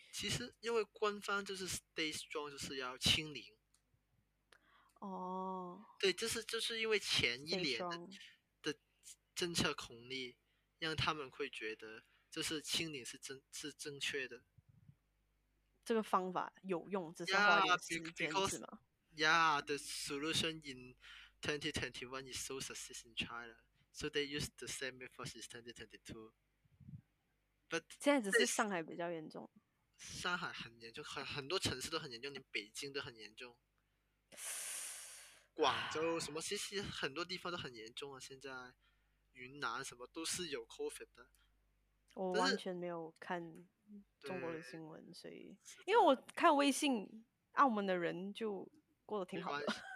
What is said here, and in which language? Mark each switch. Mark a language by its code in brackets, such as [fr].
[zh] 其实因为官方就是 [en] stay strong， [zh] 就是要清零。哦，对，就是因为前一年 的政策红利，让他们会觉得就是清零是正确的，这个方法有用，只是花点时间 [en] because, [zh] 是吗 [en] ？Yeah, the solution in 2021 is so success in China, so they use the same method in 2022. But [zh] 现在只是上海比较严重，上海很严重，很多城市都很严重，连北京都很严重。广州什么，其实很多地方都很严重啊，现在云南什么都是有 COVID 的。我完全没有看中国的新闻，所以因为我看微信，澳门的人就过得挺好的。